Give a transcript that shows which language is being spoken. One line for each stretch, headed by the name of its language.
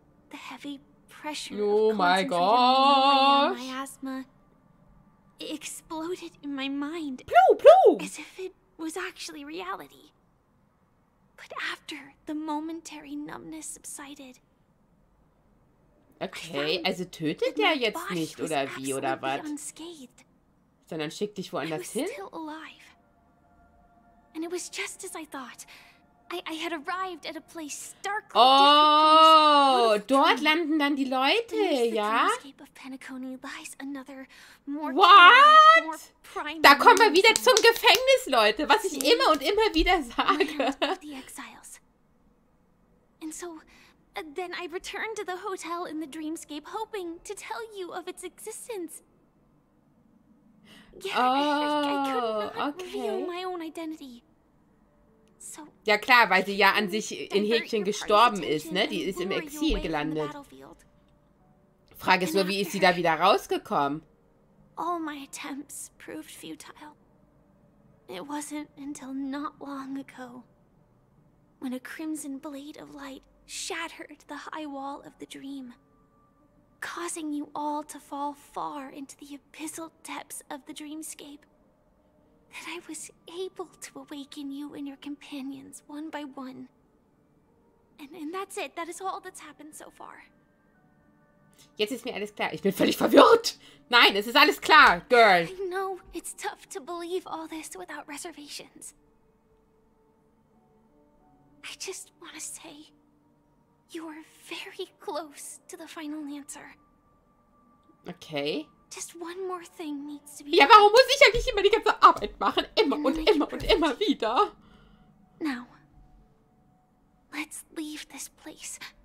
English: The heavy pressure of concentrated miasma exploded in my mind. Plow, plow. As if it was actually reality. But after the momentary numbness subsided.
German: Okay, also tötet er jetzt nicht oder wie oder was? Sondern schickt dich woanders hin?
English: And it was just as I thought. I had arrived at a place stark.
German: Oh, dort landen dann die Leute, ja?
English: What?
German: Da kommen wir wieder zum Gefängnis, Leute, was ich immer und immer wieder sage.
English: And so then I returned to the hotel in the dreamscape hoping to tell you of its existence. Yeah, oh, okay. I couldn't reveal my own identity.
German: So, ja klar, weil sie ja an sich in Häkchen gestorben ist, ne? Die ist im Exil gelandet. Frage ist nur, wie ist sie da wieder rausgekommen?
English: All my attempts proved futile. It wasn't until not long ago when a crimson blade of light shattered the high wall of the dream, causing you all to fall far into the abyssal depths of the dreamscape. That I was able to awaken you and your companions one by one. And that's it. That is all that's happened so far.
German: Jetzt ist mir alles klar. Ich bin völlig verwirrt. Nein, es ist alles klar, girl.
English: I know it's tough to believe all this without reservations. I just want to say, you are very close to the final answer. Okay. Just one more thing needs to be.
German: Ja, warum muss ich eigentlich immer die ganze Arbeit machen? Immer und immer und immer wieder.
English: Now, let's leave this place.